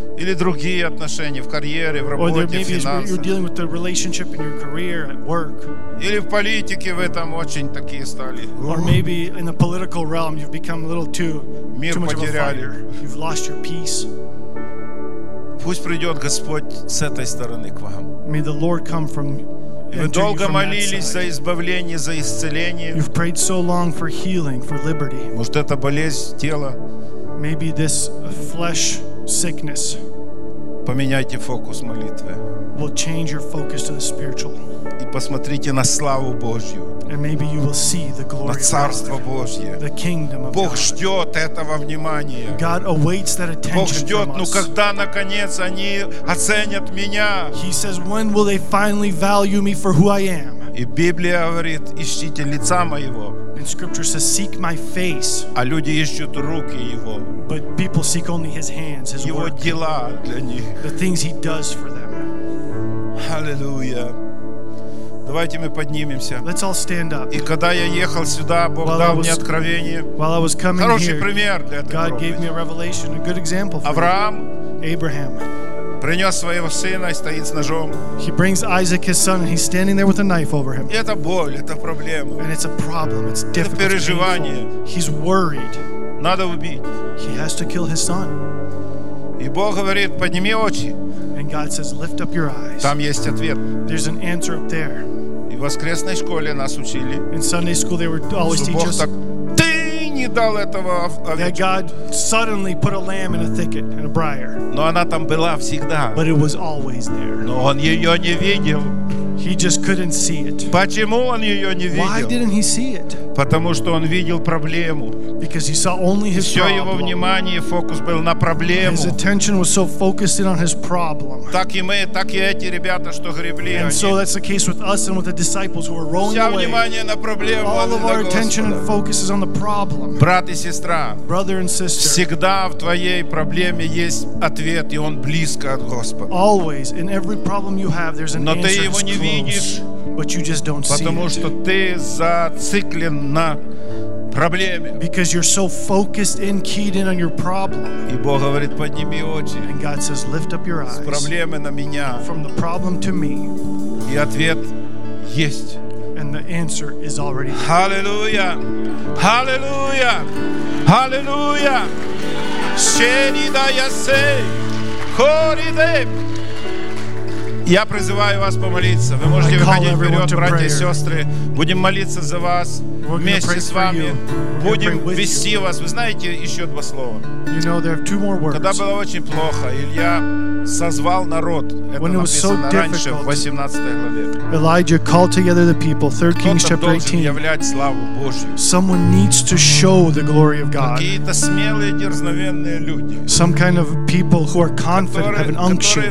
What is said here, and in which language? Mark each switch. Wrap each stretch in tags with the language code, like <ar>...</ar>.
<ru>Или другие отношения в карьере, в работе, в финансах.</ru> <en>You're dealing with the relationship in your career, at work.</en> <ru>Или в политике вы там очень такие стали.</ru> <en>Or maybe in the political realm you've become a little too much</en> <ru>потеряли.</ru> <en>Of a fighter. You've lost your peace.</en> <ru>Пусть придет Господь с этой стороны к вам.</ru> <en>May the Lord come from</en> <ru>Вы долго молились за избавление, за исцеление.</ru> <en>You've prayed so long for healing, for liberty.</en> <ru>Может, это болезнь тела.</ru> <en>Maybe this flesh sickness.</en> <ru>Поменяйте фокус молитвы.</ru> <en>Will change your focus to the spiritual.</en> <ru>И посмотрите на славу Божью.</ru> <en>And maybe you will see the glory of God.</en> <ru>На царство Божье.</ru> <en>The kingdom of God.</en> <ru>Бог ждет этого внимания.</ru> <en>God awaits that attention.</en> <ru>Бог ждет, ну когда наконец они оценят меня.</ru> <en>He says, when will they finally value me for who I am?</en> <ru>И Библия говорит, ищите лица моего.</ru> <en>And scripture says, seek my face.</en> <ru>А люди ищут руки его.</ru> <en>But people seek only his hands, his</en> <ru>его</ru> <en>work.</en> <ru>Его дела для них.</ru> <en>The things he does for them.</en> <ru>Аллилуйя. Давайте мы поднимемся.</ru> <en>Let's all stand up.</en> <ru>И когда я ехал сюда, Бог</ru> <en>while</en> <ru>дал</ru> <en>was,</en> <ru>мне откровение.</ru> <en>While I was coming</en> <ru>хороший</ru> <en>here,</en> <ru>пример для этого.</ru> <en>God gave me a revelation, a good example for</en> <ru>Авраам.</ru> <en>Abraham.</en> <ru>Принес своего сына и стоит с ножом.</ru> <en>He brings Isaac his son and he's standing there with a knife over him.</en> <ru>И это боль, это проблема.</ru> <en>And it's a problem, it's difficult.</en> <ru>Это переживание.</ru> <en>He's worried.</en> <ru>Надо убить.</ru> <en>He has to kill his son.</en> <ru>И Бог говорит, подними очи.</ru> <en>And God says, lift up your eyes.</en> <ru>Там есть ответ.</ru> <en>There's an answer up there.</en> <ru>И в воскресной школе нас учили.</ru> <en>In Sunday school they were always teaching us.</en> <ru>Ты не дал этого овечку.</ru> <en>That God suddenly put a lamb in a thicket, in a briar.</en> <ru>Но она там была всегда.</ru> <en>But it was always there.</en> <ru>Но он ее не видел.</ru> <en>He just couldn't see it.</en> <ru>Почему он ее не видел?</ru> <en>Why didn't he see it?</en> <ru>Потому что он видел проблему.</ru> <en>Because he saw only his problem.</en> <ru>Все его внимание, фокус был на проблему.</ru> <en>His attention was so focused in on his problem.</en> <ru>Так и мы, так и эти ребята, что гребли.</ru> <en>And so that's the case with us and with the disciples who were rowing away.</en> <ru>Все внимание на проблему.</ru> <en>All of our attention and focus is on the problem.</en> <ru>Брат и сестра.</ru> <en>Brother and sister.</en> <ru>Всегда в твоей проблеме есть ответ, и он близко от Господа.</ru> <en>Always in every problem you have, there's an answer.</en> <ru>Но ты его не видишь.</ru> <en>But you just don't see it.</en> <ru>Потому что ты зациклен на проблеме.</ru> <en>Because you're so focused and keyed in on your problem.</en> <ru>И Бог говорит, подними очи.</ru> <en>And God says, lift up your eyes.</en> <ru>С проблемы на меня.</ru> <en>From the problem to me.</en> <ru>И ответ есть.</ru> <en>And the answer is already there. Hallelujah. Hallelujah. Hallelujah. Shani da yase. Kori de.</en> <ru>Я призываю вас помолиться. Вы можете выходить вперед, братья и сестры. Будем молиться за вас вместе с вами. Будем вести вас. Вы знаете еще два слова. Когда было очень плохо, Илья созвал народ. Это написано раньше, в 18 главе.</ru> <en>Elijah called together the people, 3 Kings chapter 18.</en> <ru>Являть славу Божью.</ru> <en>Someone needs to show the glory of God.</en> <ru>Какие-то смелые, дерзновенные люди.</ru> <en>Some kind of people who are confident, have an unction.</en>